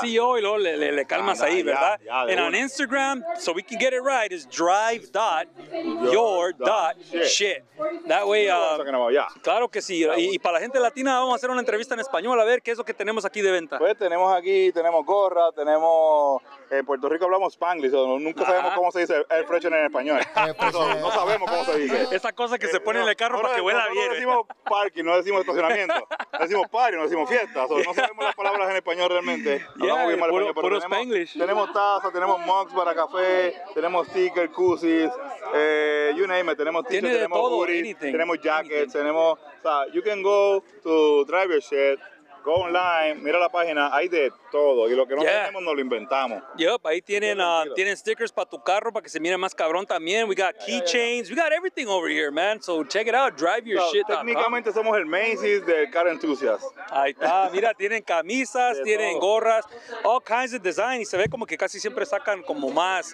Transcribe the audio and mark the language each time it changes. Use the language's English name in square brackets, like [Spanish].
[Spanish] C-O, y luego le calmas ahí, ¿verdad? [English] Yeah, and on Instagram, so we can get it right, is drive.your.shit. That way, [Spanish] claro que sí. Y para la gente latina, vamos a hacer una entrevista en español, a ver qué es lo que tenemos aquí de venta. Pues tenemos aquí, tenemos gorra, tenemos... En Puerto Rico hablamos Spanglish, o nunca sabemos cómo se dice air freshener en español. No sabemos cómo se dice. Esa cosa que se pone en el carro para que huela bien. No decimos parking, no decimos estacionamiento. No decimos party, no decimos fiesta. So, no sabemos las palabras en español realmente. Hablamos bien mal español, pero tenemos taza, tenemos mugs para café, tenemos stickers, koozies, [English] you name it. [Spanish] Tenemos t-shirts, tenemos hoodies, tenemos jackets, tenemos... O sea, [English] you can go to Drive Your Shit. Go online, [Spanish] mira la página, hay de todo. Y lo que no tenemos, nos lo inventamos. Yep, ahí tienen stickers para tu carro, para que se mire más cabrón también. [English] We got keychains, we got everything over here, man. So check it out, driveyourshit.com. [Spanish] Técnicamente somos el Macy's del car enthusiast. Ahí está, mira, tienen camisas, tienen gorras, [English] all kinds of design. [Spanish] Y se ve como que casi siempre sacan como más.